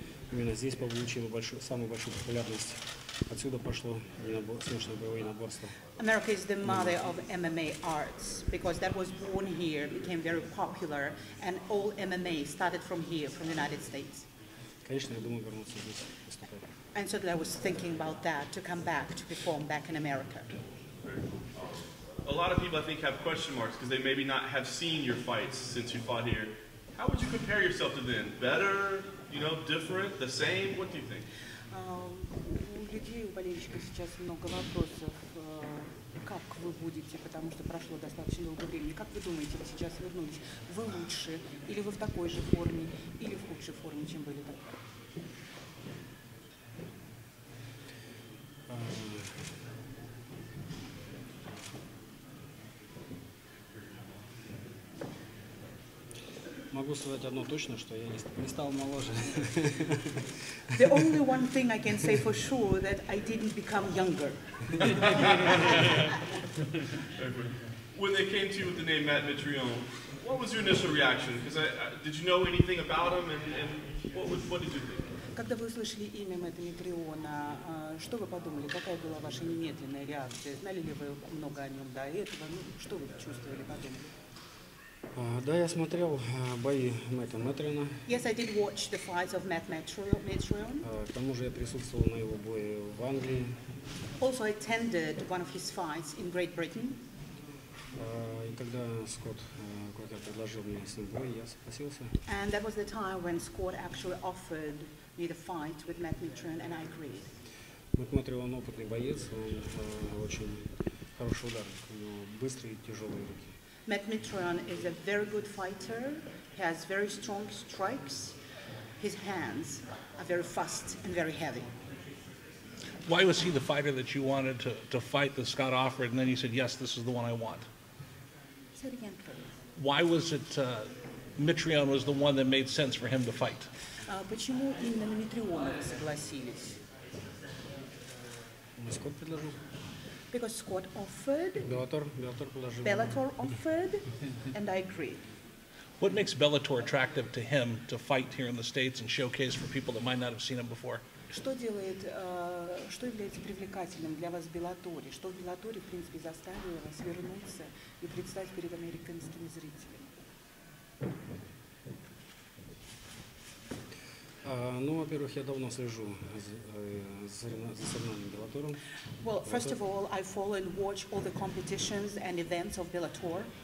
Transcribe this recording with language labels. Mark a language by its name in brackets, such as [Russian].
[Russian] Именно здесь получила самую большую популярность. Отсюда пошло смешанное боевое наборство. [English] America is the mother of MMA arts because that was born here, became very popular, and all MMA started from here, from the United States. [Russian] Конечно, я думаю вернуться здесь, выступать. [English] And so that I was thinking about that, to come back, to perform back in America. A lot of people, I think, have question marks because they maybe not have seen your fights since you fought here. How would you compare yourself to then? Better? You know, different, the same? What do you think? [Russian] У людей, у болельщиков сейчас много вопросов. Как вы будете, потому что прошло достаточно долго времени. Как вы думаете, вы сейчас вернулись? Вы лучше, или вы в такой же форме, или в худшей форме, чем были там? Могу сказать одно точно, что я не стал моложе. [English] The only one thing I can say for sure that I didn't become younger. When they came to you with the name Matt Mitrione, what was your initial reaction? Because did you know anything about him, and what did you think? [Russian] Когда вы услышали имя Мэтта Митриона, что вы подумали? Какая была ваша немедленная реакция? Знали ли вы много о нем до этого? Ну, что вы чувствовали, подумали? Да, я смотрел бои Мэтта Митриона. [English] Yes, I did watch the fights of Matt Mitrione. [Russian] К тому же я присутствовал на его бое в Англии. [English] Also attended one of his fights in Great Britain. [Russian] И когда Скотт когда предложил мне с ним бой, я согласился. [English] And that was the time when Scott actually offered me the fight with Matt Mitrione, and I agreed. [Russian] Мэтт Митрион опытный боец, он очень хороший удар, у него быстрые и тяжелые руки. [English] Matt Mitrione is a very good fighter. He has very strong strikes. His hands are very fast and very heavy. Why was he the fighter that you wanted to fight that Scott offered, and then you said, yes, this is the one I want? Say it again, please. Why was it Mitrione was the one that made sense for him to fight? [Russian] Почему именно на Митриона согласились? Скотт предложил. [English] Because Scott offered, [Russian] Bellator предложил. [English] Bellator offered, and I agreed. What makes Bellator attractive to him to fight here in the States and showcase for people that might not have seen him before? [Russian] Что делает, что является привлекательным для вас в Беллаторе? Что в Беллаторе, в принципе, заставило вас вернуться и предстать перед американскими зрителями? Ну, во-первых, я давно слежу за соревнованиями Bellator. [English] Well, first of all, I follow and watch all the competitions and events of Bellator.